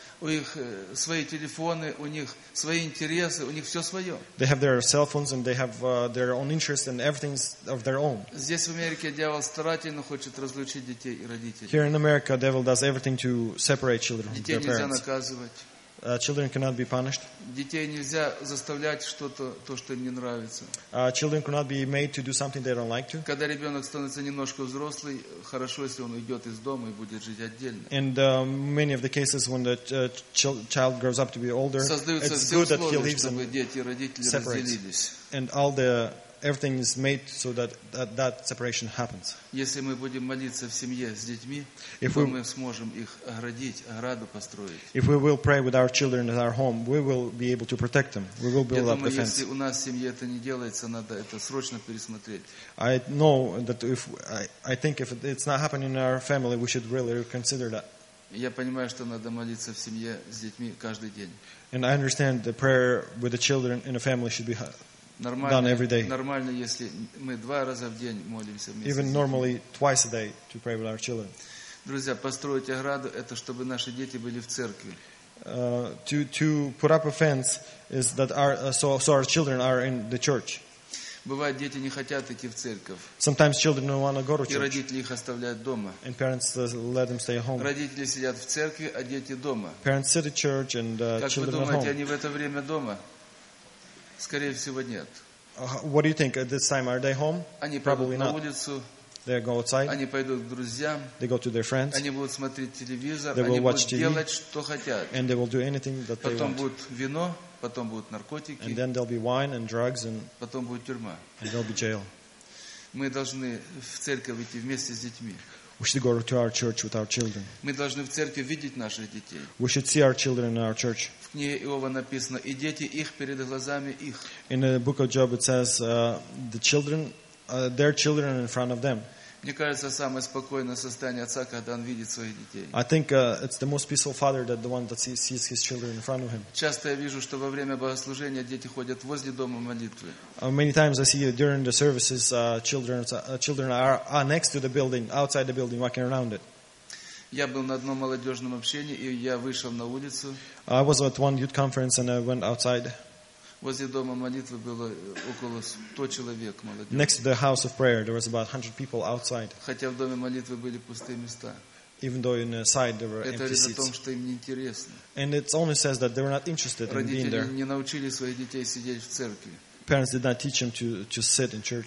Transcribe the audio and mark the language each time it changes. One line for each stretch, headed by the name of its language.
Russian: У них свои телефоны, у них свои интересы, у них все свое.
English: They have their cell phones and they have their own interests and everything's of their own.
Russian: Здесь в Америке дьявол старательно хочет разлучить детей и родителей.
English: Here in America, devil does everything to separate children from their parents.
Russian: Детей нельзя наказывать.
English: Children cannot be punished.
Russian: Детей нельзя заставлять что-то, то, что им не нравится.
English: Children cannot be made to do something they don't like to.
Russian: Когда ребенок становится немножко взрослый, хорошо, если он уйдет из дома и будет жить отдельно.
English: And many of the cases when the child grows up to be older,
Russian: создаются
English: it's good that he leaves
Russian: чтобы дети и родители
English: separates.
Russian: Разделились.
English: And all the everything is made so that separation happens.
Russian: Если мы будем молиться в семье с детьми, то мы сможем их оградить, ограду построить.
English: If we will pray with our children at our home, we will be able to protect them. We will build up the fence.
Russian: Если у нас в семье это не делается, надо это срочно пересмотреть.
English: I know that if I think if it's not happening in our family, we should really reconsider that.
Russian: Я понимаю, что надо молиться в семье с детьми каждый день.
English: And I understand the prayer with the children in a family should be done every day.
Russian: Нормально, если мы два раза в день молимся вместе.
English: Even normally twice a day to pray with our children.
Russian: Друзья, построить ограду – это чтобы наши дети были в церкви.
English: To put up a fence is that our children are in the church.
Russian: Бывает, дети не хотят идти в церковь.
English: Sometimes children don't want to go to church.
Russian: И родители их оставляют дома.
English: And parents let them stay home.
Russian: Родители сидят в церкви, а дети дома.
English: Parents sit at church and children at home.
Russian: Как вы думаете, они в это время дома? Скорее всего, нет.
English: What do you think at this time? Are they home?
Russian: Они пойдут на улицу.
English: They go outside.
Russian: Они пойдут к друзьям.
English: They go to their friends.
Russian: Они будут смотреть телевизор.
English: They will watch TV.
Russian: Они будут делать, что хотят.
English: And they will do anything that they want.
Russian: Потом будет вино. Потом будут наркотики.
English: And then there'll be wine and drugs and
Russian: потом будет тюрьма.
English: And there'll be jail.
Russian: Мы должны в церковь идти вместе с детьми.
English: We should go to our church with our children.
Russian: Мы должны в церкви видеть наших детей.
English: We should see our children in our church.
Russian: В книге Иова написано: и дети их перед глазами их.
English: In the book of Job it says the children, their children in front of them.
Russian: Мне кажется, самое спокойное состояние отца, когда он видит своих детей.
English: I think it's the most peaceful father that the one that sees his children in front of him.
Russian: Часто я вижу, что во время богослужения дети ходят возле дома молитвы.
English: Many times I see during the services children are next to the building, outside the building, walking around it.
Russian: Я был на одном молодежном общении, и я вышел на улицу.
English: I was at one youth conference and I went outside.
Russian: Возле дома молитвы было около 100 человек молодежи.
English: Next to the house of prayer, there was about 100 people outside.
Russian: Хотя в доме молитвы были пустые места.
English: Even though inside there were empty seats.
Russian: Это говорит о том, что им не интересно.
English: And it only says that they were not interested
Russian: родители
English: in being there.
Russian: Родители не научили своих детей сидеть в церкви.
English: Parents did not teach them to sit in church.